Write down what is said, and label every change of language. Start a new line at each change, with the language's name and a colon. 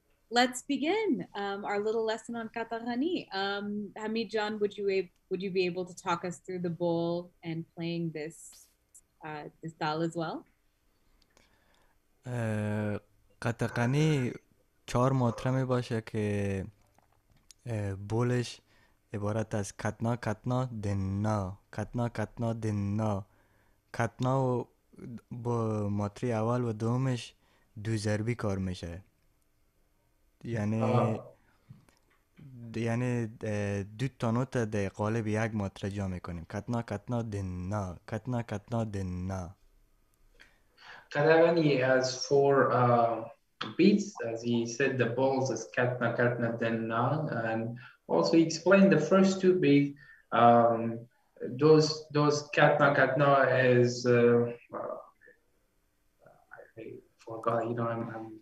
English: Let's begin our little lesson on Qataghani. Hamid John, would you be able to talk us through the bowl and playing this this dal as well?
Persian: قطقنی چهار ماتره می باشه که بولش عبارت از کتنا کتنا دننا کتنا کتنا دننا کتنا و با ماتری اول و دومش دو ضربی کار میشه یعنی دو تا نوت در قالب یک ماتره جا میکنیم کتنا کتنا دننا کتنا کتنا دننا
English: Qataghani has four beats, as he said, the balls is katna, katna, denna, and also he explained the first two beats, those katna, katna is, I forgot, you know, I'm